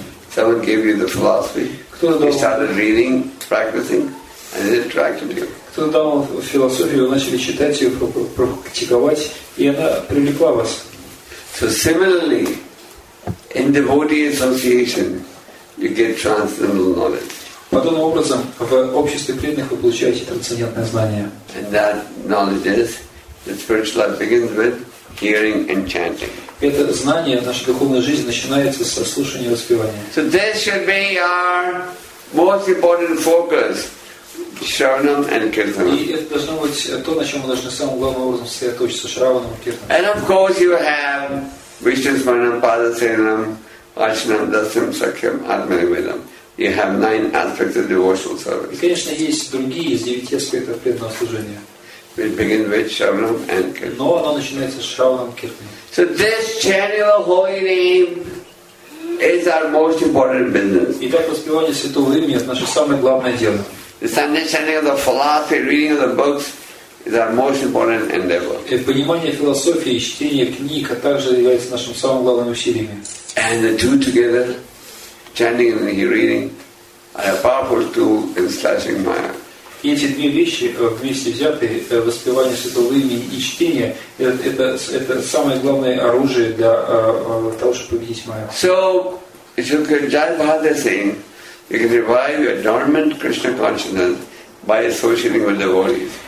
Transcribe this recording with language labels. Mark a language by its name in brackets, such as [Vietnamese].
[English] Someone gave you the philosophy. You started reading, practicing, and it attracted you. [Russian] Кто дал вам философию, вы начали читать ее, практиковать, и она привлекла вас. [English] So similarly, in devotee association, you get transcendental knowledge. [Russian] Подобным образом, в обществе преданных вы получаете трансцендентное знание. [English] And that knowledge is that spiritual life begins with hearing and chanting. [Russian] Это знание в нашей духовной жизни начинается со слушания и воспевания. [English] So this should be our most important focus. Шраванам and Киртанам. [Russian] И это должно быть то, на чем мы должны самым главным образом сосредоточиться, Шраванам и Киртанам. [English] And of course you have Vishnu Smaranam, Padasenam, Archanam, Dasyam, Sakyam, Atmanivedam. You have 9 aspects of devotional service. [Russian] И, конечно, есть другие из 9 аспектов преданного служения. [English] We begin with Шраванам and Киртанам. [Russian] Но оно начинается с Шраванам и Киртанам. [English] So this chanting of holy name is our most important business. [Russian] Итак, воспевание святого имени – это наше самое главное дело. [English] The understanding of the philosophy, reading of the books, is our most important endeavor. [Russian] И понимание философии, чтение книг, а также является нашим самым главным усилием. [English] And the two together, chanting and reading, are a powerful tool in slashing maya. [Russian] И эти две вещи вместе взятые, воспевание святого имени и чтение, это самое главное оружие для того, чтобы победить майя. [English] So, if you can just have the same. You can revive your dormant Krishna consciousness by associating with devotees.